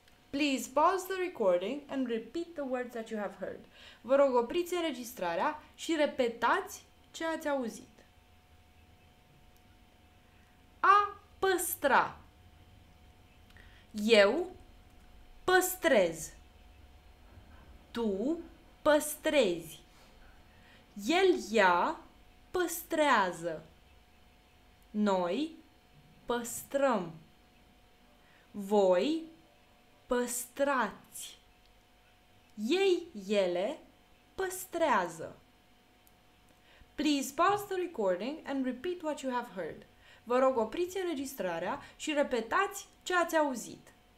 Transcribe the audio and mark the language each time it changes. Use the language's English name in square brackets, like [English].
[English] Please pause the recording and repeat the words that you have heard. [Romanian] Vă rog, opriți înregistrarea și repetați ce ați auzit. A păstra. Eu păstrez. Tu păstrezi. El, ea păstrează. Noi păstrăm. Voi păstrați. Ei, ele păstrează. [English] Please pause the recording and repeat what you have heard. [Romanian] Vă rog, opriți înregistrarea și repetați ce ați auzit.